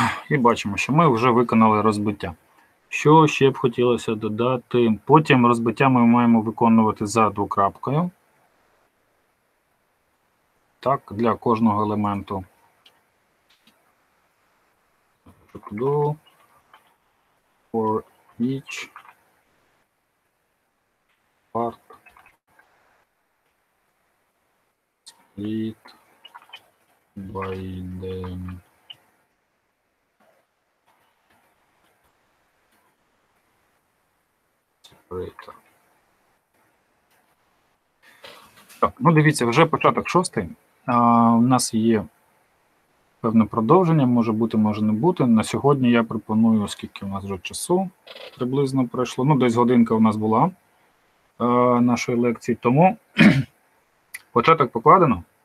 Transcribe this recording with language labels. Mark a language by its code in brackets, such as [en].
[uk] І бачимо, що ми вже виконали розбиття. Що ще б хотілося додати? Потім розбиття ми маємо виконувати за двокрапкою. Так, для кожного елементу. [en] Do for each part split by the separator. [uk] Так, ну дивіться, вже початок шостий. У нас є певне продовження, може бути, може не бути. На сьогодні я пропоную, оскільки у нас вже часу приблизно пройшло. Ну, десь годинка у нас була нашої лекції, тому початок покладено.